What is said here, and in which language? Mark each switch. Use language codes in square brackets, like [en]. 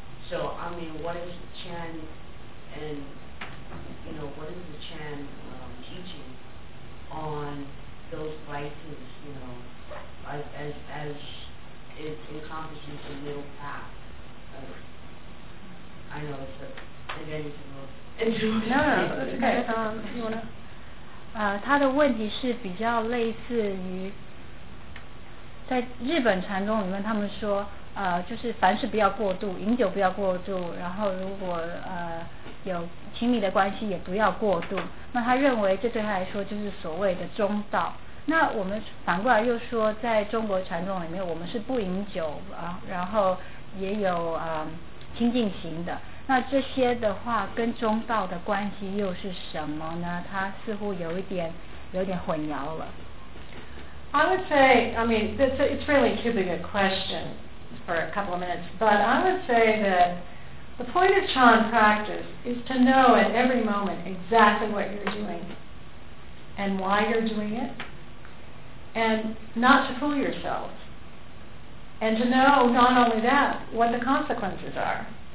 [en] So, I mean, what is the Chan, and, you know, what is the Chan teaching on those vices, you know, as it encompasses the middle path? I know it's a, again, it's a little interesting. No, no, it's okay. You want to? [zh] 他的问题是比较类似于在日本禅宗里面，他们说就是凡事不要过度，饮酒不要过度，然后如果有亲密的关系也不要过度，那他认为这对他来说就是所谓的中道。那我们反过来又说，在中国禅宗里面，我们是不饮酒，然后也有清净行的，那这些的话跟中道的关系又是什么呢？它似乎有点混淆了。 [en] I would say, I mean, it's really too big a question for a couple of minutes, but I would say that the point of Chan practice is to know at every moment exactly what you're doing and why you're doing it, and not to fool yourself, and to know not only that, what the consequences are.